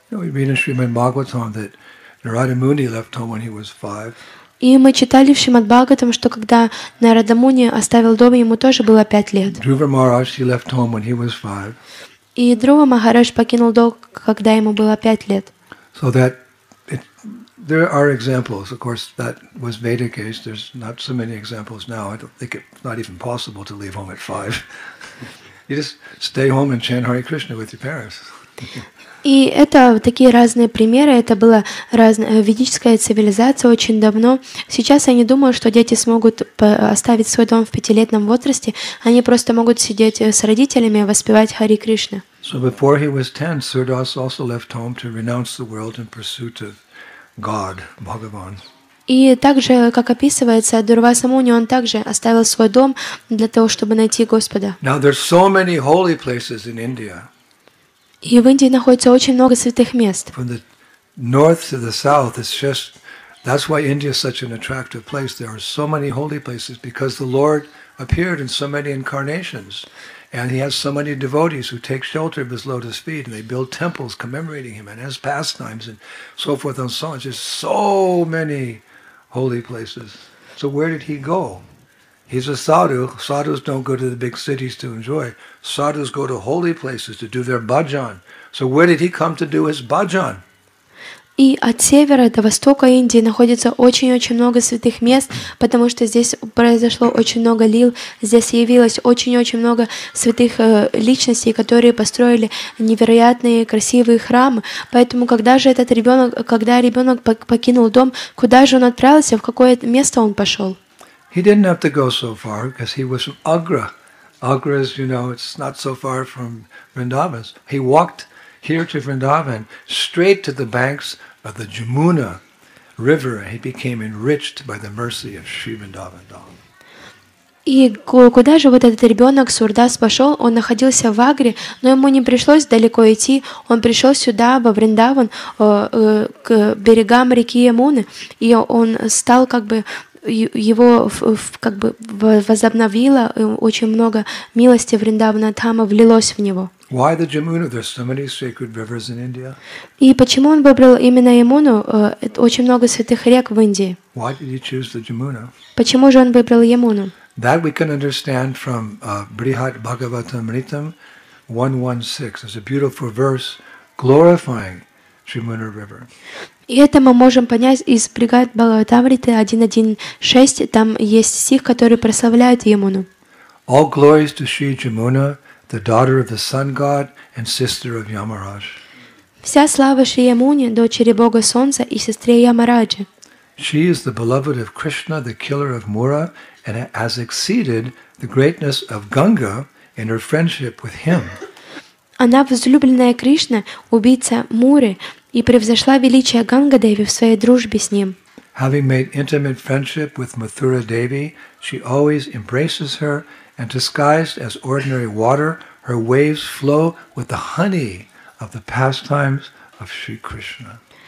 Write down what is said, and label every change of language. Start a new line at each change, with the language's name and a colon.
English: We read in Srimad Bhagavatam that Narada Muni left home when he was 5.
Russian: И мы читали в Шримад Бхагаватам, что когда Нарада Муни оставил дом, ему тоже было 5 лет.
English: Dhruva Maharaj, he left home when he was 5.
Russian: И Dhruva Maharaj покинул дом, когда ему было 5 лет.
English: So that there are examples, of course, that was Vedic age. There's not so many examples now. I don't think it's not even possible to leave home at 5. You just stay home and chant Hare Krishna with your parents.
Russian: И это такие разные примеры. Это была ведическая цивилизация очень давно. Сейчас я не думаю, что дети смогут оставить свой дом в 5-летнем возрасте. Они просто могут сидеть с родителями и воспевать Хари Кришна.
English: So before he was 10, Surdas also left home to renounce the world in pursuit of God, Bhagavan.
Russian: И также, как описывается, Дурваса Муни, он также оставил свой дом для того, чтобы найти Господа.
English: Now there's so many holy places in India.
Russian: И в Индии находится очень много святых мест.
English: From the north to the south, it's just that's why India is such an attractive place. There are so many holy places because the Lord appeared in so many incarnations, and He has so many devotees who take shelter of His lotus feet, and they build temples commemorating Him and His pastimes and so forth and so on. Just so many holy places. So where did He go? He's a sadhu. Sadhus don't go to the big cities to enjoy. Sadhus go to holy places to do their bhajan. So where did he come to do his bhajan?
Russian: И от севера до востока Индии находится очень-очень много святых мест, потому что здесь произошло очень много лил, здесь явилось очень-очень много святых личностей, которые построили невероятные красивые храмы. Поэтому когда ребенок покинул дом, куда же он отправился, в какое место он пошел?
English: He didn't have to go so far because he was from Agra. Agra is, you know, it's not so far from Vrindavan. He walked here to Vrindavan, straight to the banks of the Jamuna River. He became enriched by the mercy of Sri Vrindavan Das.
Russian: И куда же вот этот ребенок Сурдас пошел? Он находился в Агре, но ему не пришлось далеко идти. Он пришел сюда, во Вриндаван, к берегам реки Ямуны, и он стал как бы его как бы возобновило очень много милости Вриндавана Дхама влилось в него.
English: Why the Yamuna? There's so many sacred rivers in India.
Russian: И почему он выбрал именно Ямуну? Очень много святых рек в Индии.
English: Why did he choose the Yamuna?
Russian: Почему же он выбрал Ямуну?
English: That we can understand from Brihat Bhagavatamritam 1.1.6. It's a beautiful verse glorifying Yamuna River.
Russian: И это мы можем понять из Бригад Бхагаватамриты 1.1.6. Там есть стих, который прославляет Ямуну.
English: All glories to Sri Yamuna, the daughter of the sun god and sister of Yamaraj.
Russian: Вся слава Шри Ямуне, дочери Бога Солнца и сестре Ямараджи.
English: She is the beloved of Krishna, the killer of Mura, and has exceeded the greatness of Ganga in her friendship with him.
Russian: Она возлюбленная Кришна, убийца Муры, и превзошла величие Гангадеви в своей дружбе с ним.
English: Having made intimate friendship with Mathura Devi, she always embraces her, and disguised as ordinary water, her waves flow with the honey of the pastimes of Sri Krishna.